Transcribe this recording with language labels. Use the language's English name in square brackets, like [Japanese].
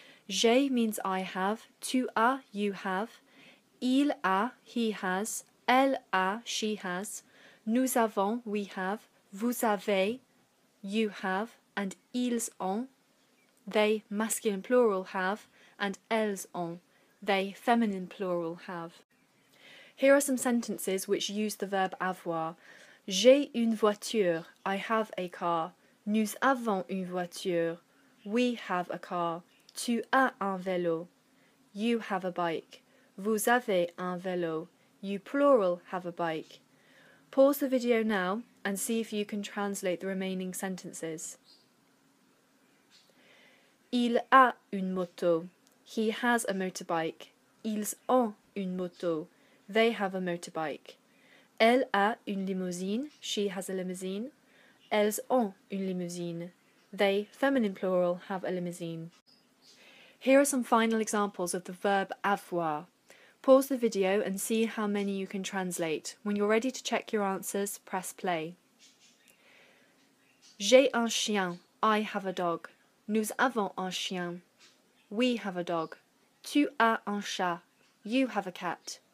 [French] J'ai [English] means I have, [French] tu as, [English] you have, [French] il a, [English] he has, [French] elle a, [English] she has, [French] nous avons, [English] we have, [French] vous avez, [English] you have, and [French] ils ont, [English] they, masculine plural, have, and [French] elles ont, [English] they, feminine plural, have. Here are some sentences which use the verb avoir. [French] J'ai une voiture, [English] I have a car. [French] Nous avons une voiture, [English] we have a car. [French] Tu as un vélo, [English] you have a bike. [French] Vous avez un vélo, [English] you plural have a bike. Pause the video now and see if you can translate the remaining sentences. [French] Il a une moto, [English] he has a motorbike. [French] Ils ont une moto, [English] they have a motorbike. [French] Elle a une limousine, [English] she has a limousine. [French] Elles ont une limousine, [English] they, feminine plural, have a limousine. Here are some final examples of the verb avoir. Pause the video and see how many you can translate. When you're ready to check your answers, press play. [French] J'ai un chien, [English] I have a dog. [French] Nous avons un chien, [English] we have a dog. [French] Tu as un chat, [English] you have a cat.